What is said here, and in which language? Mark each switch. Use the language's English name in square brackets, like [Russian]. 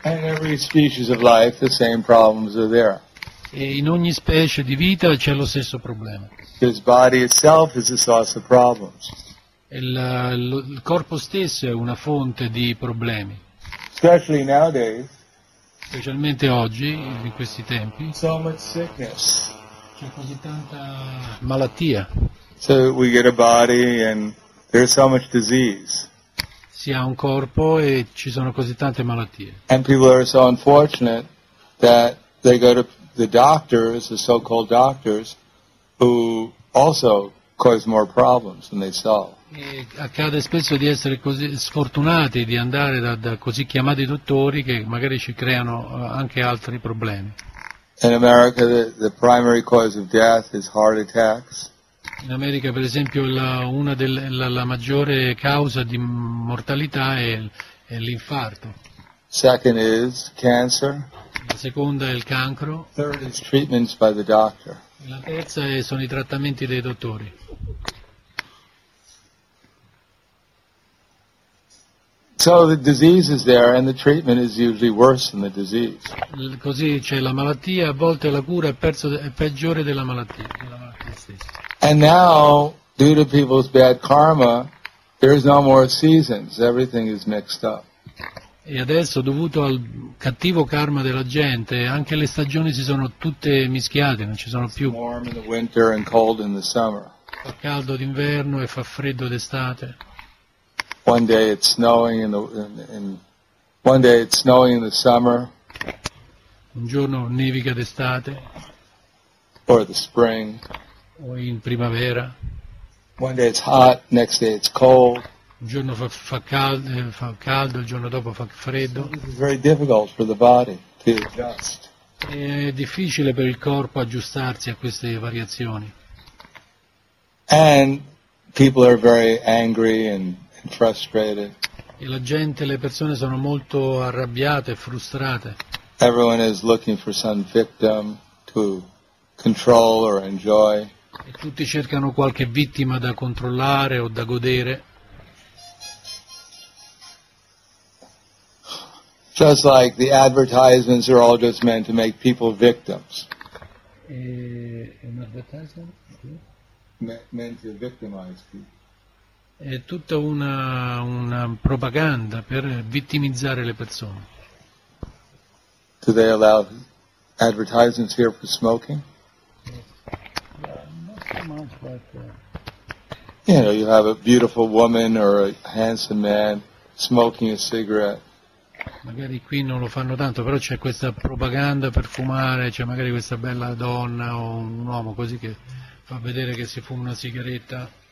[English] And in every species of life, the same problems are there. [Italian] E in ogni specie di vita c'è lo stesso problema. [English] His body itself is a source of problems. [Italian] Il corpo stesso è una fonte di problemi. [English] Especially nowadays. [Italian] Specialmente oggi, in questi tempi. [English] So much sickness. [Italian] C'è così tanta malattia. [English] So we get a body and there's so much disease. [Italian] Si ha un corpo e ci sono così tante malattie. [English] And people are so unfortunate that they go to the doctors, the so-called doctors, who also cause more problems than they solve. [Italian] E accade spesso di essere così sfortunati di andare da così chiamati dottori che magari ci creano anche altri problemi. [English] In America, the primary cause of death is heart attacks. [Italian] In America, per esempio, la maggiore causa di mortalità è l'infarto. [English] Second is cancer. [Italian] La seconda è il cancro. [English] Third is treatments by the doctor. [Italian] E la terza sono i trattamenti dei dottori. [English] So the disease is there and the treatment is usually worse than the disease. [Italian] Così c'è la malattia, a volte la cura è peggiore della malattia, stessa. [English] And now, due to people's bad karma, there is no more seasons, everything is mixed up. [Italian] E adesso, dovuto al cattivo karma della gente, anche le stagioni si sono tutte mischiate, non ci sono più. [English] It's warm in the winter and cold in the summer. [Italian] Fa caldo d'inverno e fa freddo d'estate. [English] One day it's snowing in the summer. [Italian] Un giorno nevica d'estate. [English] Or the spring. [Italian] O in primavera. [English] One day it's hot, next day it's cold. [Italian] Un giorno fa caldo, il giorno dopo fa freddo. [English] So it's very difficult for the body to adjust. [Italian] È difficile per il corpo aggiustarsi a queste variazioni. [English] And people are very angry and frustrated. [Italian] E la gente, le persone sono molto arrabbiate e frustrate. [English] Everyone is looking for some victim to control or enjoy. [Italian] E tutti cercano qualche vittima da controllare o da godere. [English] Just like the advertisements are all just meant to make people victims. An advertisement? Meant to victimize people. [Italian] È tutta una propaganda per vittimizzare le persone. [English] Do they allow advertisements here for smoking? Yes. Yeah, not so much, but you know, you have a beautiful woman or a handsome man smoking a cigarette. [Italian] Magari qui non lo fanno tanto, però c'è questa propaganda per fumare, c'è magari questa bella donna o un uomo così che fa vedere che si fuma una sigaretta.